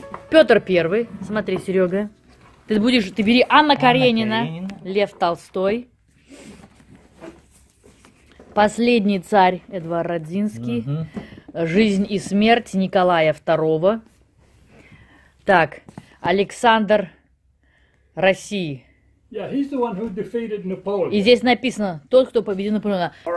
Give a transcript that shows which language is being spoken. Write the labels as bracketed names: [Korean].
[Russian] Петр Первый, смотри, Серега. Ты будешь, ты бери Анна Каренина, Лев Толстой. Последний царь Эдуард Радзинский. Угу. Жизнь и смерть Николая Второго. Так, Александр России. [English] Yeah, he's the one who defeated Napoleon. [Russian] И здесь написано, тот, кто победил Наполеона.